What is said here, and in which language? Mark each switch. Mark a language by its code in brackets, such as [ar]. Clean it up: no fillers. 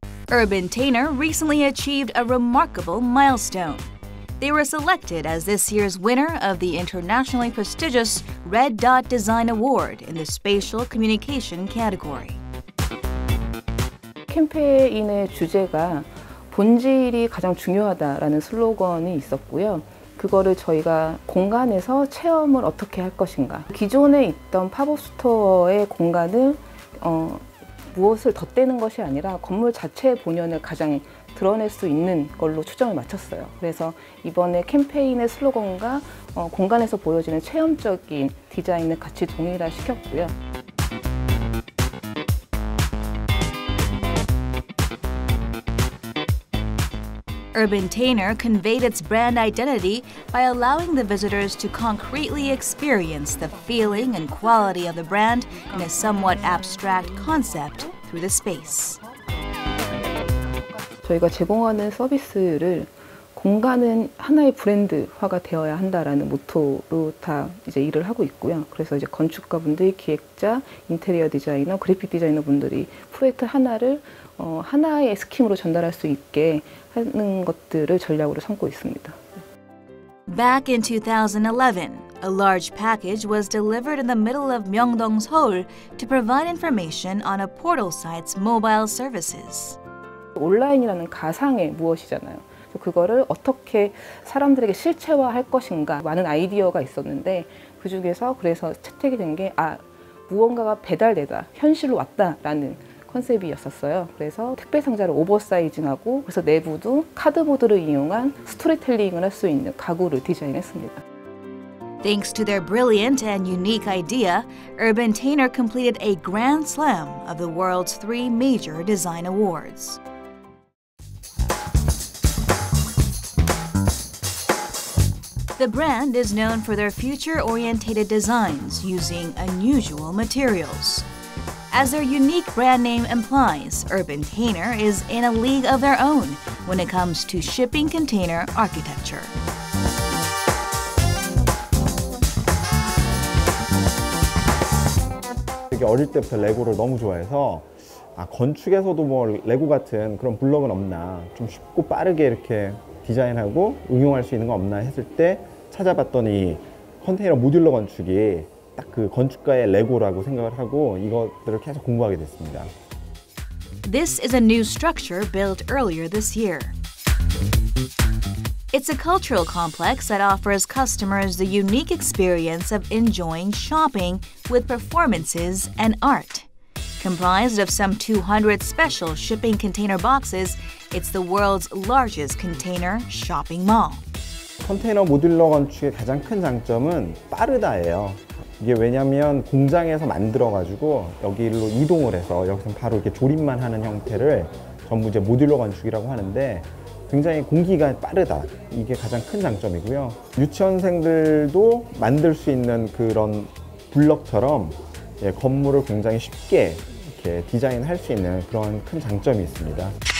[en] Urban Tainer recently achieved a remarkable milestone. They were selected as this year's winner of the internationally prestigious Red Dot Design Award in the Spatial Communication category. [ko] 캠페인의 주제가 본질이 가장 중요하다라는 슬로건이 있었고요. 그거를 저희가 공간에서 체험을 어떻게 할 것인가. 기존에 있던 팝업 스토어의 공간을 무엇을 덧대는 것이 아니라 건물 자체의 본연을 가장 드러낼 수 있는 걸로 초점을 맞췄어요. 그래서 이번에 캠페인의 슬로건과 공간에서 보여지는 체험적인 디자인을 같이 동일화시켰고요. [en] 'Urbaintainer' conveyed its brand identity by allowing the visitors to concretely experience the feeling and quality of the brand in a somewhat abstract concept through the space. [ko] 저희가 제공하는 서비스를 공간은 하나의 브랜드화가 되어야 한다라는 모토로 다 이제 일을 하고 있고요. 그래서 이제 건축가분들, 기획자, 인테리어 디자이너, 그래픽 디자이너 분들이 프로젝트 하나를 하나의 스킨으로 전달할 수 있게 하는 것들을 전략으로 삼고 있습니다. [en] Back in 2011, a large package was delivered in the middle of Myeongdong, Seoul to provide information on a portal site's mobile services. [ko] 온라인이라는 가상의 무엇이잖아요. 그거를 어떻게 사람들에게 실체화할 것인가 많은 아이디어가 있었는데 그중에서 그래서 채택이 된 게 아, 무언가가 배달되다, 현실로 왔다라는 컨셉이었었어요. 그래서 택배 상자를 오버사이징하고 그래서 내부도 카드보드를 이용한 스토리텔링을 할 수 있는 가구를 디자인했습니다. [en] Thanks to their brilliant and unique idea, Urbaintainer completed a grand slam of the world's three major design awards. The brand is known for their future-oriented designs using unusual materials. As their unique brand name implies, Urbaintainer is in a league of their own when it comes to shipping container architecture. I was very fond of Lego when I was young. [ko] 아, 건축에서도 뭐 레고 같은 그런 블럭은 없나? 좀 쉽고 빠르게 이렇게 디자인하고 응용할 수 있는 거 없나 했을 때 찾아봤더니 컨테이너 모듈러 건축이 딱 그 건축가의 레고라고 생각을 하고 이것들을 계속 공부하게 됐습니다. [en] This is a new structure built earlier this year. It's a cultural complex that offers customers the unique experience of enjoying shopping with performances and art. Comprised of some 200 special shipping container boxes, it's the world's largest container shopping mall. [ko] 컨테이너 모듈러 건축의 가장 큰 장점은 빠르다예요. 이게 왜냐하면 공장에서 만들어가지고 여기로 이동을 해서 여기서 바로 이렇게 조립만 하는 형태를 전부 이제 모듈러 건축이라고 하는데 굉장히 공기가 빠르다. 이게 가장 큰 장점이고요. 유치원생들도 만들 수 있는 그런 블럭처럼 예, 건물을 굉장히 쉽게 이렇게 디자인할 수 있는 그런 큰 장점이 있습니다.